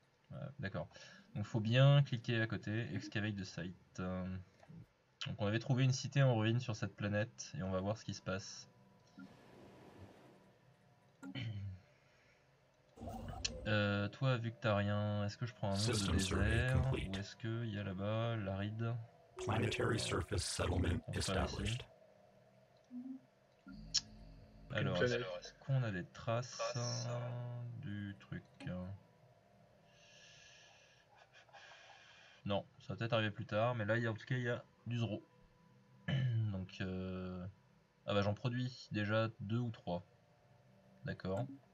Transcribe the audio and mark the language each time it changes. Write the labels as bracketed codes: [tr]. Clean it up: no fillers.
[fr] Ouais, d'accord. Donc faut bien cliquer à côté, excavate de site. Donc on avait trouvé une cité en ruine sur cette planète et on va voir ce qui se passe. Toi, vu que t'as rien, est-ce que je prends un autre de désert ou est-ce qu'il y a là-bas l'aride? [en] Planetary surface settlement established. [fr] Alors, est-ce qu'on a des traces du truc? Non, ça va peut-être arriver plus tard, mais là, en tout cas, il y a du zéro. Donc, ah bah j'en produis déjà deux ou trois. D'accord.